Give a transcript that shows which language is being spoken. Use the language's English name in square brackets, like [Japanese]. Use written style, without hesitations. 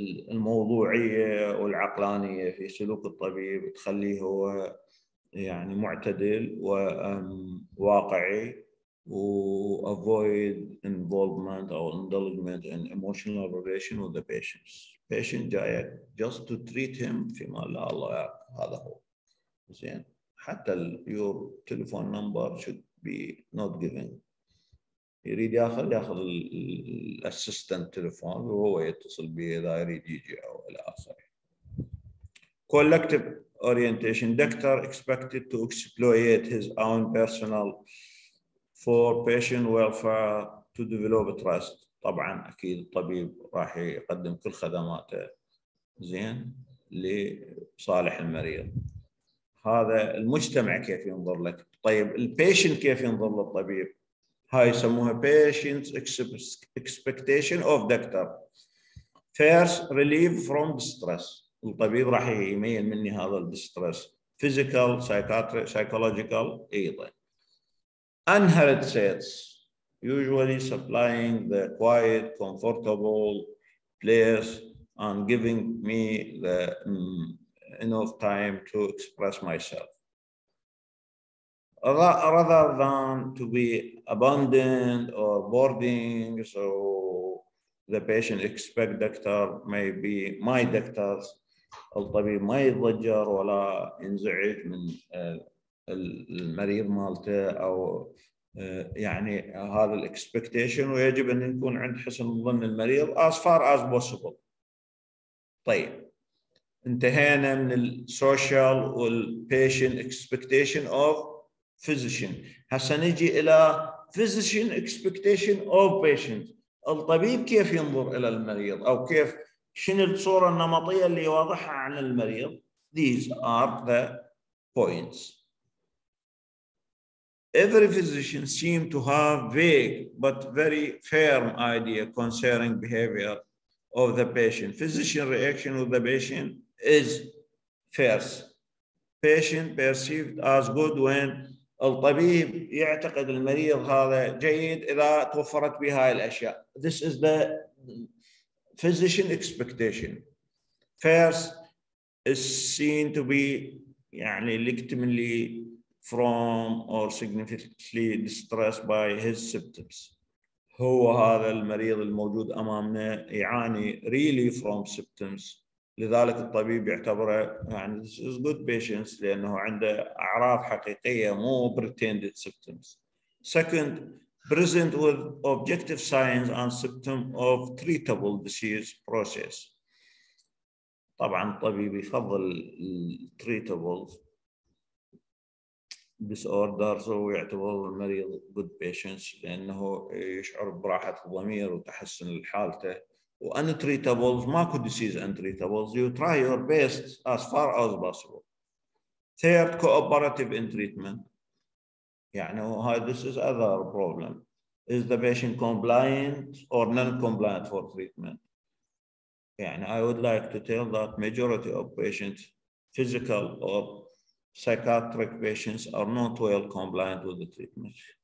[Arabic] الموضوعية والعقلانية في سلوك الطبيب تخليه هو يعني معتدل وواقعي. [English] Avoid involvement or indulgement in emotional relation with the patients. Patient جايك just to treat him [Arabic] فيما لا الله يعرف. هذا هو زين. حتى [English] your telephone number should be not given. [Arabic] يريد ياخذ الاسيستنت تليفون وهو يتصل به اذا يريد يجي او الى اخره. [English] Collective orientation. Doctor expected to exploit his own personal for patient welfare to develop trust. [Arabic] طبعا اكيد الطبيب راح يقدم كل خدماته زين لصالح المريض. هذا المجتمع كيف ينظر لك. طيب البيشنت كيف ينظر للطبيب؟ هاي يسموها [English] patient expectation of doctor. First, relief from distress. [Arabic] الطبيب راح يميل مني هذا الدستريس [English] physical psychological [Arabic] ايضا. [English] unhurried sets, usually supplying the quiet, comfortable place and giving me the enough time to express myself. Rather than to be abandoned or boarding, so the patient expect doctor, maybe my doctors, [Arabic] الطبيب ما يضجر ولا ينزعج من المريض مالته او يعني هذا الاكسبكتيشن، ويجب ان يكون عند حسن ظن المريض [English] as far as possible. [Arabic] طيب انتهينا من [English] السوشيال والبيشنت expectation of physician, [Arabic] هسه نجي الى [English] Physician expectation of patient. [Arabic] الطبيب كيف ينظر الى المريض او كيف شنو الصورة النمطية اللي يوضحها عن المريض؟ [English] These are the points. Every physician seems to have vague but very firm idea concerning behavior of the patient. Physician reaction with the patient is first. Patient perceived as good when [Arabic] الطبيب يعتقد المريض هذا جيد إذا توفرت به هاي الأشياء. [English] This is the physician expectation. First is seen to be يعني legitimately from or significantly distressed by his symptoms. [Arabic] هو هذا المريض الموجود أمامنا يعاني [English] really from symptoms. [Arabic] لذلك الطبيب يعتبره يعني [English] this is good patients [Arabic] لأنه عنده أعراض حقيقية مو [English] pretended symptoms. Second, present with objective signs and symptom of treatable disease process. [Arabic] طبعا الطبيب يفضل [English] treatable disorders [Arabic] ويعتبر المريض [English] good patients [Arabic] لأنه يشعر براحة الضمير وتحسن لحالته. [English] و untreatable ماكو disease untreatable. You try your best as far as possible. Third, cooperative in treatment. يعني this is other problem. Is the patient compliant or non-compliant for treatment? يعني I would like to tell that majority of patients, physical or psychiatric patients, are not well compliant with the treatment.